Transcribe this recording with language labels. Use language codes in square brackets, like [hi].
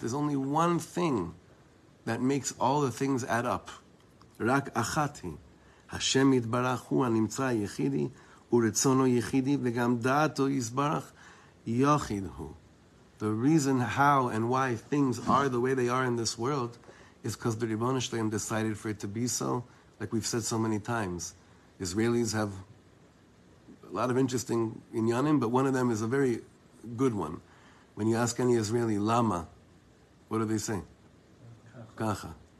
[en] There's only one thing that makes all the things add up. [he] רק אחת היא. השם יתברך הוא הנמצא היחידי, ורצונו יחידי וגם דעתו יסברך יחיד הוא. [en] The reason how and why things are the way they are in this world is because the Ribbono Shel'Olam decided for it to be so. Like we've said so many times, Israelis have a lot of interesting inyanim, but one of them is a very good one. When you ask any Israeli lama, what do they say? Kacha.